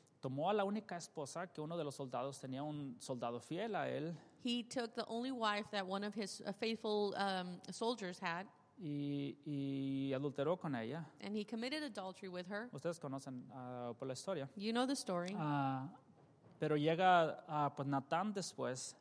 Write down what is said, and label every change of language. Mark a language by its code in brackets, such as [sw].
[es] Tomó a la única esposa que uno de los soldados tenía, un soldado fiel a él. [en] He took the only wife that one of his faithful soldiers had. [es] Y adulteró con ella. [en] And he committed adultery with her. [es] Ustedes conocen por la historia. [en] You know the story. [es] Pero llega pues Natán después.